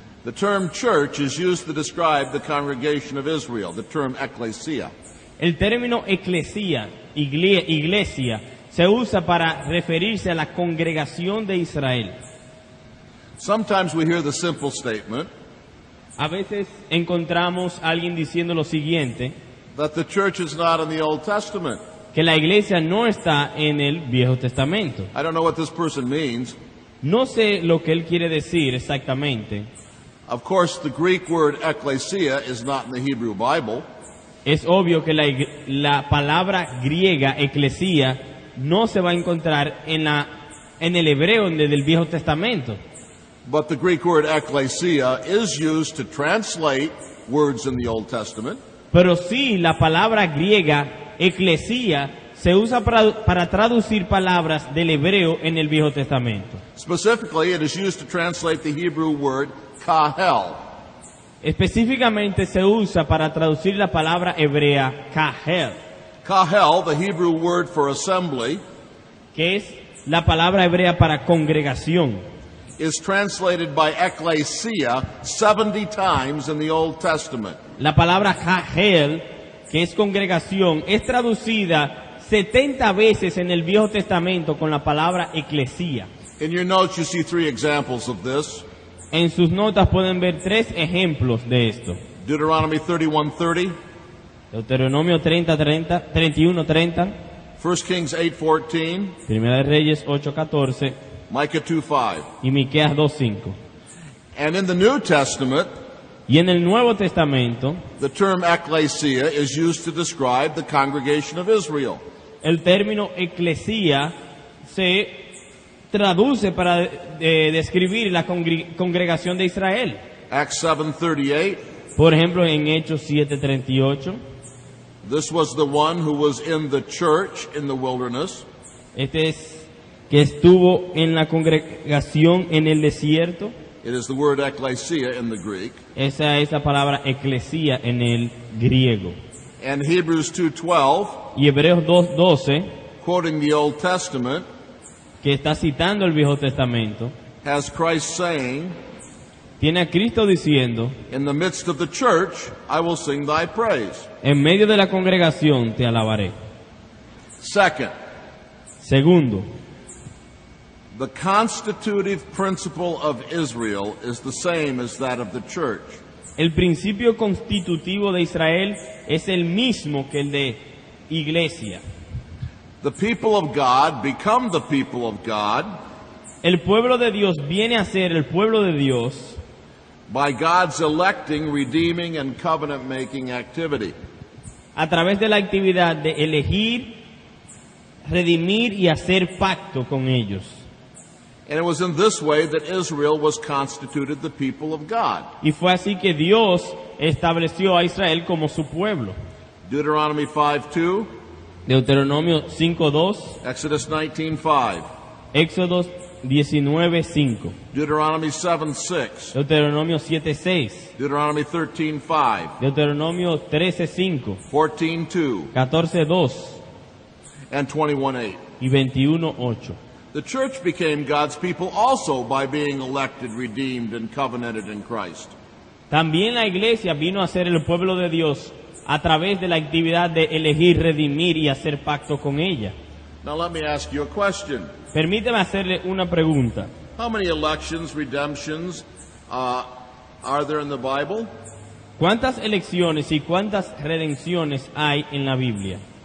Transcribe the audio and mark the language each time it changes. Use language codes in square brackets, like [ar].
[en] The term church is used to describe the congregation of Israel, the term ecclesia. [es] El término eclesia, iglesia, se usa para referirse a la congregación de Israel. [en] Sometimes we hear the simple statement. [es] A veces encontramos a alguien diciendo lo siguiente. [en] That the church is not in the Old Testament. [es] Que la iglesia no está en el Viejo Testamento. [en] I don't know what this person means. [es] No sé lo que él quiere decir exactamente. [en] Of course, the Greek word ekklesia is not in the Hebrew Bible. [es] Es obvio que la palabra griega eklesia no se va a encontrar en el hebreo del Viejo Testamento. [en] But the Greek word ekklesia is used to translate words in the Old Testament. [es] Pero sí, la palabra griega eklesia se usa para traducir palabras del hebreo en el Viejo Testamento. [en] Specifically, it is used to translate the Hebrew word kahel. [es] Específicamente se usa para traducir la palabra hebrea kahel. [en] Kahel, the Hebrew word for assembly, [es] que es la palabra hebrea para congregación, [en] is translated by ekklesia 70 times in the Old Testament. [es] La palabra kahel, que es congregación, es traducida 70 veces en el Viejo Testamento con la palabra eclesia. [en] In your notes you see three examples of this. [es] En sus notas pueden ver tres ejemplos de esto. [en] Deuteronomy 31:30. [es] Deuteronomio 31:30. [en] 1 Kings 8:14. [es] Primera de Reyes 8:14. [en] Micah 2:5. [es] Y Miqueas 2:5. [en] And in the New Testament, [es] y en el Nuevo Testamento, [en] the term ecclesia is used to describe the congregation of Israel. [es] El término eclesia se traduce para describir la congregación de Israel. [en] Acts 7:38. [es] Por ejemplo, en Hechos 7:38. [en] This was the one who was in the church in the wilderness. [es] Este es que estuvo en la congregación en el desierto. [en] It is the word ekklesia in the Greek. [es] Esa es la palabra eclesia en el griego. [en] And Hebrews 2:12. [es] Y Hebreos 2:12. [en] Quoting the Old Testament. [es] Que está citando el Viejo Testamento. [en] Has Christ saying. [es] Tiene a Cristo diciendo. [en] In the midst of the church, I will sing thy praise. [es] En medio de la congregación te alabaré. [en] Second. [es] Segundo. [en] The constitutive principle of Israel is the same as that of the church. [es] El principio constitutivo de Israel es el mismo que el de iglesia. [en] The people of God become the people of God. [es] El pueblo de Dios viene a ser el pueblo de Dios. [en] By God's electing, redeeming, and covenant-making activity. [es] A través de la actividad de elegir, redimir y hacer pacto con ellos. [en] And it was in this way that Israel was constituted the people of God. [es] Y fue así que Dios estableció a Israel como su pueblo. [en] Deuteronomy 5:2. [es] Deuteronomio 5:2. [en] Exodus 19:5. [es] Éxodos 19:5. [en] Deuteronomy 7:6. [es] Deuteronomio 7:6. [en] Deuteronomy 13:5. [es] Deuteronomio 13:5. 14:2. 14:2. [en] And 21:8. [es] Y 21:8. [en] The church became God's people also by being elected, redeemed, and covenanted in Christ. [es] También la iglesia vino a ser el pueblo de Dios a través de la actividad de elegir, redimir y hacer pacto con ella. [en] Now let me ask you a question. [es] Permíteme hacerle una pregunta. [en] How many elections, redemptions, are there in the Bible? [es] ¿Cuántas elecciones y cuántas redenciones hay en la Biblia?